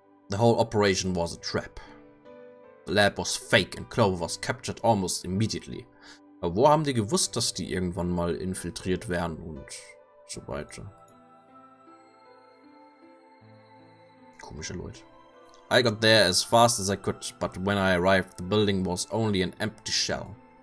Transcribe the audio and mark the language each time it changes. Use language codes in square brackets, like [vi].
[en] The whole operation was a trap. The lab was fake and Clover was captured almost immediately. [de] Aber wo haben die gewusst, dass die irgendwann mal infiltriert werden und so weiter? Komische Leute. [en] I got there as fast as I could, but when I arrived, the building was only an empty shell.